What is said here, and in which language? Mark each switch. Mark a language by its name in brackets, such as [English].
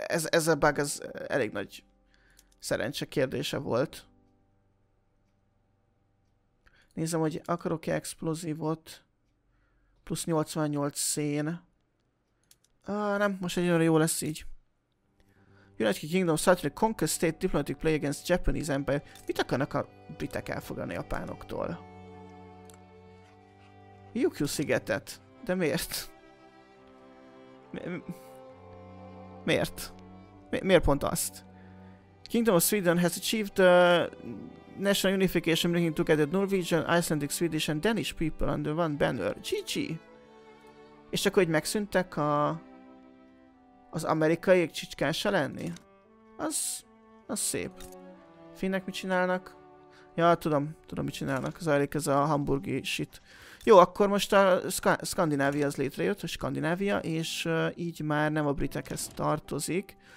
[Hungarian] Ez a bug, ez elég nagy szerencse kérdése volt. Nézem, hogy akarok-e explozívot. Plusz 88 szén. Nem, most egy olyan jó lesz így. [English] United Kingdom started a conquer state diplomatic play against Japanese Empire. [Hungarian] Mit akarnak a britek elfogadni a japánoktól? Ryukyu szigetet. De miért? Miért? Miért pont azt? [English] Kingdom of Sweden has achieved the national unification bringing together Norwegian, Icelandic, Swedish and Danish people under one banner. GG! [Hungarian] És akkor így megszűntek az amerikai csicskása lenni? Az szép. Finnek mit csinálnak? Ja, tudom mit csinálnak. Zajlik ez a hamburgi shit. Jó, akkor most a Skandinávia az létrejött, a Skandinávia, és így már nem a britekhez tartozik.